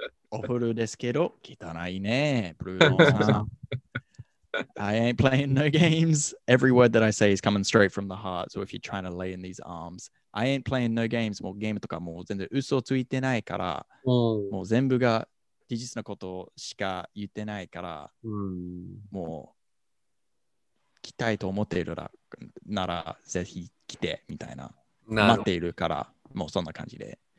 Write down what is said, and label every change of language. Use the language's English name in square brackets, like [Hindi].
[Japanese] お風呂ですけど、汚いね、ブルーノさん。 [English] I ain't playing no games. Every word that I say is coming straight from the heart. So if you're trying to lay in these arms, I ain't playing no games. [Japanese] もうゲームとかもう全然嘘ついてないから、もう全部が事実のことしか言ってないから、うん、もう来たいと思っているならぜひ来てみたいな、待っているからもうそんな感じで、